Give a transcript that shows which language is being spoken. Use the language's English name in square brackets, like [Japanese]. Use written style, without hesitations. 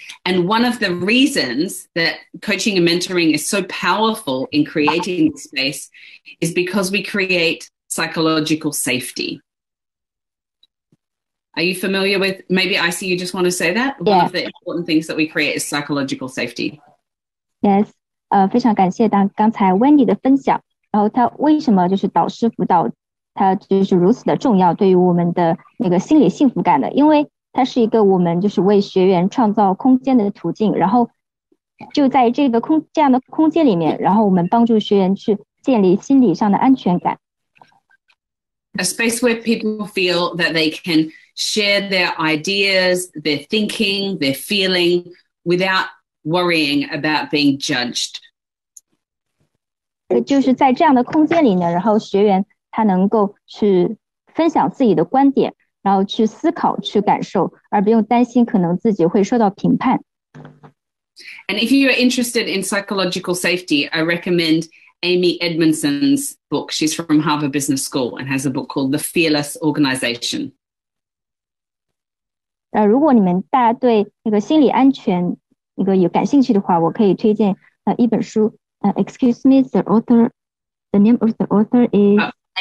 [English] And one of the reasons that coaching and mentoring is so powerful in creating space is because we create psychological safety. Are you familiar with, maybe I see you just want to say that? Yeah. One of the important things that we create is psychological safety. [Chinese] Yes, 非常感谢刚才 Wendy 的分享，然后他为什么就是导师辅导它就是如此的重要，对于我们的那个心理幸福感的，因为它是一个我们就是为学员创造空间的途径，然后就在这个空这样的空间里面，然后我们帮助学员去建立心理上的安全感。 [English] A space where people feel that they can share their ideas, their thinking, their feeling without worrying about being judged. [Chinese] 就是在这样的空间里呢，然后学员。他能够去分享自己的观点，然后去思考，去感受，而不用担心可能自己会受到评判。 [English] And if you are interested in psychological safety, I recommend Amy Edmondson's book. She's from Harvard Business School and has a book called The Fearless Organization. [Chinese] 如果你们大家对那个心理安全那个有感兴趣的话，我可以推荐一本书。 [English] Excuse me, the author, the name of the author is.